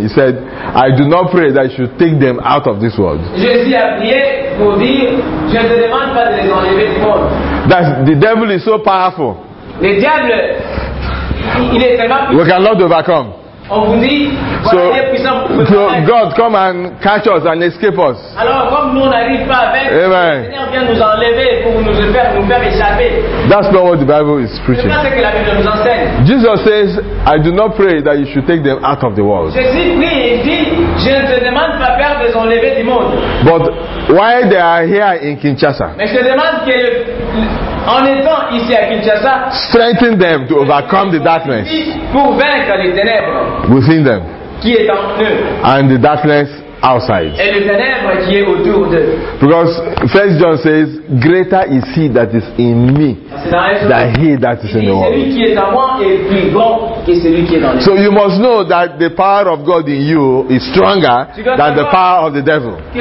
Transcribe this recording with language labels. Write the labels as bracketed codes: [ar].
[en] He said, "I do not pray that you should take them out of this world." [fr] Jésus a prié pour dire, je ne demande pas de les enlever du monde. [en] That the devil is so powerful. [fr] Le diable, il est vraiment [en] puissant. We cannot overcome. [fr] On vous dit, [en] so, so God, come and catch us and escape us. [fr] Alors, comme nous n'arrivons pas avec, le Seigneur vient nous enlever pour nous faire échapper. [en] That's not what the Bible is preaching. [fr] C'est pas ce que la Bible nous enseigne. [en] Jesus says, I do not pray that you should take them out of the world. [fr] Jésus prie et dit, je ne te demande pas perdre les enlever du monde. [en] But why they are here in Kinshasa? [fr] Mais je demande que en étant ici à Kinshasa, [en] strengthen them to overcome the darkness. [fr] Pour vaincre les ténèbres. [en] Within them. [fr] Qui est en eux. [en] And the darkness outside. [fr] Et les ténèbres qui est autour d'eux. [en] Because 1 John says, greater is he that is in me than he that is in the world. [fr] Celui qui est en moi est plus grand. [en] So you must know that the power of God in you is stronger than the power of the devil.